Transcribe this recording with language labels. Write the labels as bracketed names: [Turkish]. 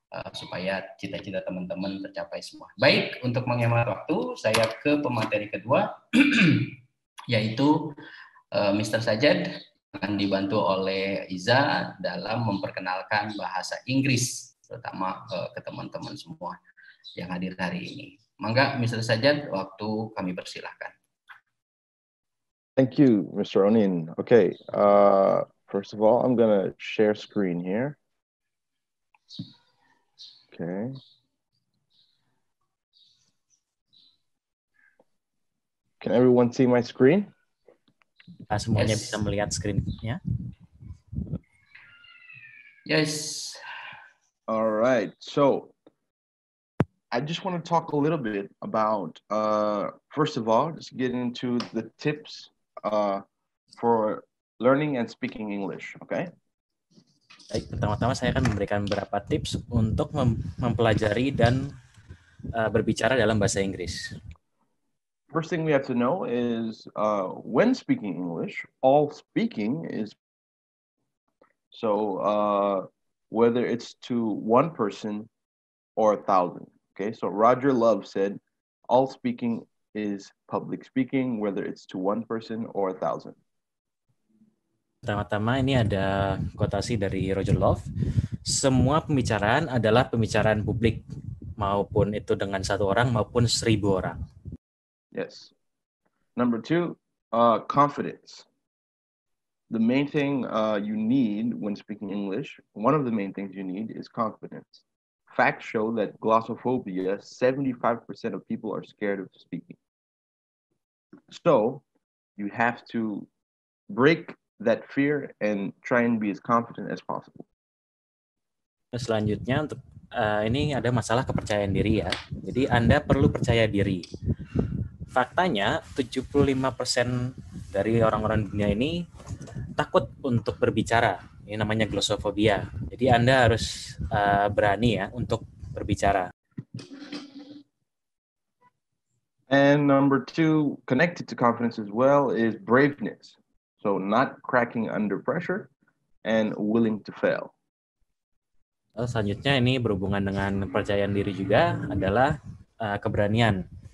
[Indonesian] Supaya cita-cita teman-teman tercapai semua. Baik, untuk menghemat waktu, saya ke pemateri kedua, yaitu Mr. Sajad akan dibantu oleh Iza dalam memperkenalkan bahasa Inggris, terutama ke teman-teman semua yang hadir hari ini. Mangga, Mr. Sajad, waktu kami persilahkan. [English] Thank you, Mr. Onin. Okay, first of all, I'm going to share screen here. Okay. Can everyone see my screen? [Indonesian] Semuanya bisa melihat screen-nya. [English] Yes. All right. So, I just want to talk a little bit about, first of all, just get into the tips for learning and speaking English, okay? [Indonesian] Baik, pertama-tama saya akan memberikan beberapa tips untuk mempelajari dan berbicara dalam bahasa Inggris. [English] First thing we have to know is when speaking English, all speaking is so whether it's to one person or a thousand. Okay, so Roger Love said all speaking is public speaking, whether it's to one person or a thousand. [Indonesian] Pertama-tama ini ada kotasi dari Roger Love. Semua pembicaraan adalah pembicaraan publik, maupun itu dengan satu orang maupun 1000 orang. [English] Yes. Number two, confidence. The main thing you need when speaking English, one of the main things you need is confidence. Facts show that glossophobia, 75% of people are scared of speaking. So you have to break that fear and try and be as confident as possible. [Indonesian] Selanjutnya untuk ini ada masalah kepercayaan diri ya. Jadi Anda perlu percaya diri. Faktanya 75% dari orang-orang dunia ini takut untuk berbicara. Ini namanya glossophobia. Jadi Anda harus berani ya untuk berbicara. [English] And number two, connected to confidence as well is braveness. So not cracking under pressure and willing to fail. [Indonesian] Selanjutnya ini berhubungan dengan percayaan diri juga adalah keberanian.